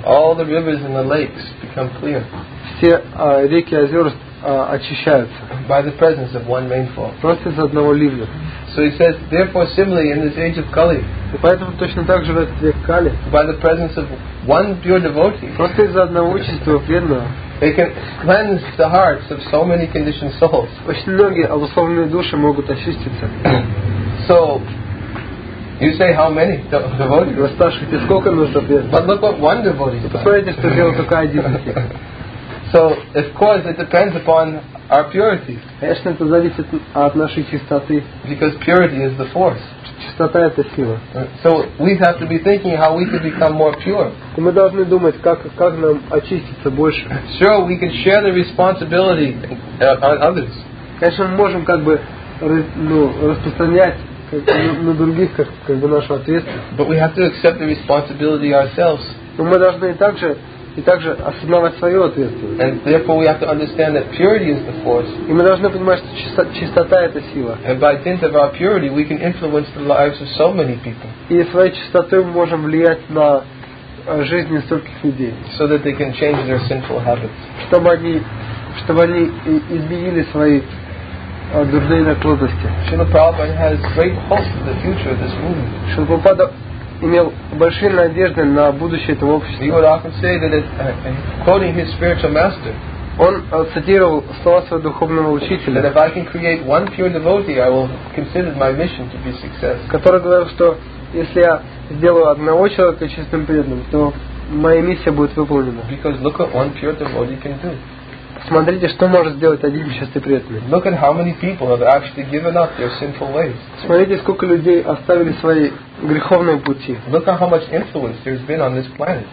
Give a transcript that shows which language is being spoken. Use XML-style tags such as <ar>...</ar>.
<en>all the rivers and the lakes become clear.</en> <ru>Все реки, озера очищаются.</ru> <en>By the presence of one rainfall.</en> <ru>Просто из-за одного ливня.</ru> <en>So he says, therefore, similarly in this age of Kali.</en> <ru>И поэтому точно так же в этот век Кали.</ru> <en>By the presence of one pure devotee.</en> <ru>Просто из-за одного чистого преданного.</ru> <en>They can cleanse the hearts of so many conditioned souls.</en> <ru>Очень многие обусловленные души могут очиститься.</ru> <en>So, you say how many devotees?</en> <ru>Вы спрашиваете, сколько нужно преданных?</ru> <en>But look what one devotee.</en> <ru>Посмотрите, что сделал только один.</ru> <en>So, of course, it depends upon our purity.</en> <ru>Конечно, это зависит от нашей чистоты.</ru> <en>Because purity is the force.</en> <ru>Чистота — это сила.</ru> <en>So we have to be thinking how we can become more pure.</en> <ru>И мы должны думать, как нам очиститься больше.</ru> <en>Sure, we can share the responsibility on others.</en> <ru>Конечно, мы можем распространять на других как бы нашу ответственность.</ru> <en>But we have to accept the responsibility ourselves.</en> <ru>Но мы должны также осознавать свою ответственность.</ru> <en>And therefore we have to understand that purity is the force.</en> <ru>И мы должны понимать, что чистота — это сила.</ru> <en>And by dint of our purity, we can influence the lives of so many people.</en> <ru>И своей чистотой мы можем влиять на жизни стольких людей.</ru> <en>So that they can change their sinful habits.</en> <ru>Чтобы они изменили свои дурные наклонности.</ru> <en>Шрила Прабхупада has great hopes for the future of this movement.</en> <ru>Имел большие надежды на будущее этого общества.</ru> <en>He would often say that it, quoting his spiritual master,</en> <ru>он цитировал слова своего духовного учителя,</ru> <en>that if I can create one pure devotee, I will consider my mission to be success.</en> <ru>Который говорил, что если я сделаю одного человека чистым преданным, то моя миссия будет выполнена.</ru> <en>Because look at one pure devotee can do.</en> <ru>Смотрите, что может сделать один чистый преданный.</ru> <en>Look at how many people have actually given up their sinful ways.</en> <ru>Смотрите, сколько людей оставили свои греховные пути.</ru> <en>Look at how much influence there's been on this planet.</en>